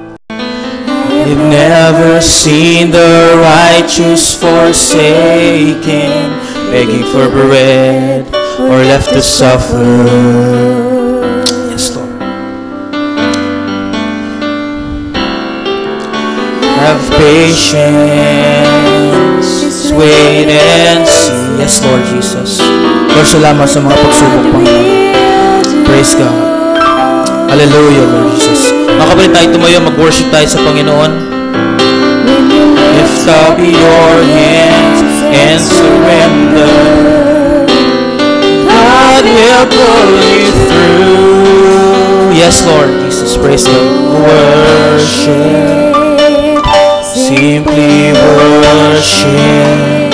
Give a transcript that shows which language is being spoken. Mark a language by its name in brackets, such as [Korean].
[English] I've never seen the righteous forsaken, begging for bread or left to suffer. Yes, Lord. Have patience, wait and see. Yes, Lord Jesus. [Filipino] Lord, salamat sa mga pagsubok, Panginoon. [English] Praise God. Hallelujah, Lord Jesus. [Filipino] Mga kapatid, tayo tumayo, mag-worship tayo sa Panginoon. [English] Lift up your hands and surrender. God will pull you through. Yes, Lord Jesus. Praise God. Worship. Simply worship.